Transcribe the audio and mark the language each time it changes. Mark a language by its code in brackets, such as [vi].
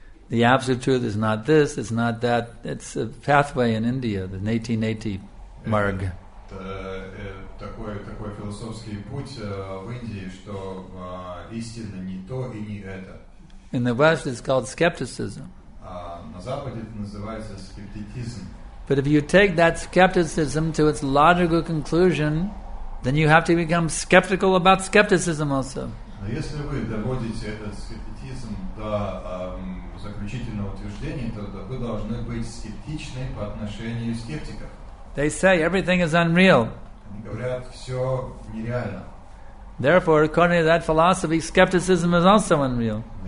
[en] The absolute truth is not this, it's not that, it's a pathway in India, the Neti Neti Marg. [ru] Такой философский путь в Индии, что истина не то и не это. [en] In the West it's called skepticism. [ru] На Западе это называется скептицизм. [en] But if you take that skepticism to its logical conclusion, then you have to become skeptical about skepticism also. [ru] Но если вы доводите этот скептицизм до заключительного утверждения, тогда вы должны быть скептичны по отношению скептиков. [en] They say everything is unreal. [ru] Они говорят, все нереально. [en] Therefore, according to that philosophy, skepticism is also unreal.